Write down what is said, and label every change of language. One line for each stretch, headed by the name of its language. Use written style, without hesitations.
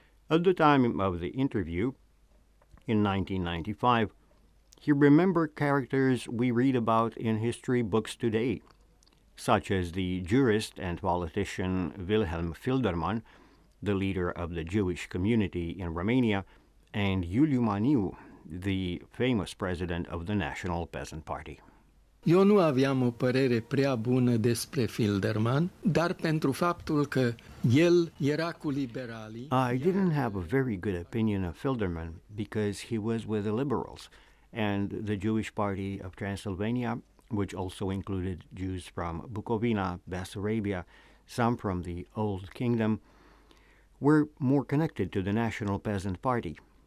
English: At the time of the interview, in 1995, he remembered characters we read about in history books today, such as the jurist and politician Wilhelm Filderman, the leader of the Jewish community in Romania, and Iuliu Maniu, the famous president of the National Peasant Party.
Romanian: Eu nu aveam o părere prea bună despre Filderman, dar pentru faptul că el era cu liberalii.
English: I didn't have a very good opinion of Filderman because he was with the liberals, and the Jewish Party of Transylvania, which also included Jews from Bukovina, Bessarabia, some from the Old Kingdom, were more connected to the National Peasant Party.